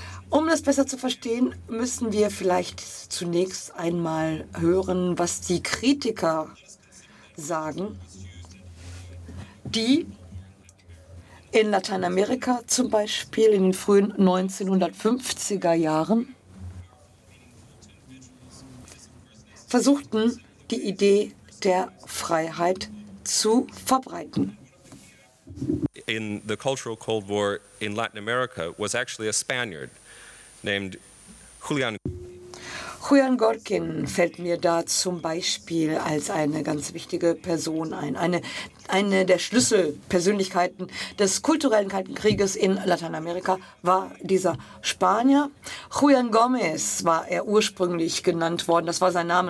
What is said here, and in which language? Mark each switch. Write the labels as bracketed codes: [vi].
[de] Um das besser zu verstehen, müssen wir vielleicht zunächst einmal hören, was die Kritiker sagen, die in Lateinamerika zum Beispiel in den frühen 1950er Jahren versuchten, die Idee der Freiheit zu verbreiten. [en] in the cultural Cold War in Latin America was actually a Spaniard named Julian. [de] Julian Gorkin fällt mir da zum Beispiel als eine ganz wichtige Person ein. Eine der Schlüsselpersönlichkeiten des kulturellen Kalten Krieges in Lateinamerika war dieser Spanier. Julian Gomez war er ursprünglich genannt worden. Das war sein Name.